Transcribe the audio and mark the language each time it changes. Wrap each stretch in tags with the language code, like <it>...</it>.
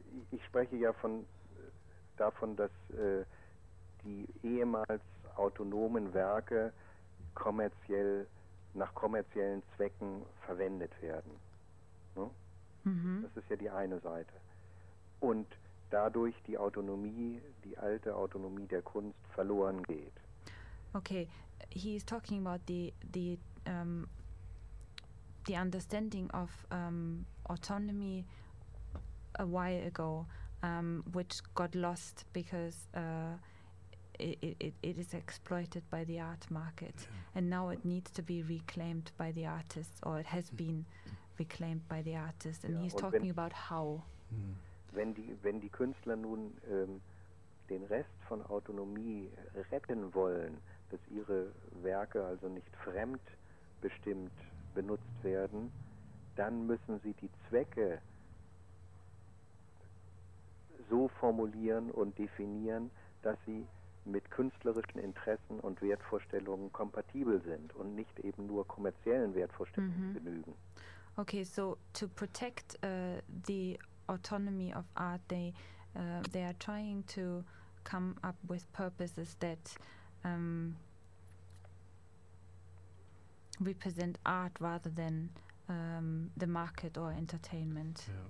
<de>Ich spreche ja davon, dass die ehemals autonomen Werke kommerziell nach kommerziellen Zwecken verwendet werden. Ne? Mhm. Das ist ja die eine Seite. Und dadurch die Autonomie, die alte Autonomie der Kunst verloren geht.</de> <en>Okay, he is talking about the understanding of autonomy a while ago, which got lost because it is exploited by the art market, yeah. And now it needs to be reclaimed by the artists, or it has been reclaimed by the artists, and he's talking about how.</en> <de>Wenn die Künstler nun den Rest von Autonomie retten wollen, dass ihre Werke also nicht fremdbestimmt benutzt werden, dann müssen sie die Zwecke so formulieren und definieren, dass sie mit künstlerischen Interessen und Wertvorstellungen kompatibel sind und nicht eben nur kommerziellen Wertvorstellungen genügen.</de> <en>Okay, so to protect the autonomy of art, they are trying to come up with purposes that represent art rather than the market or entertainment.</en>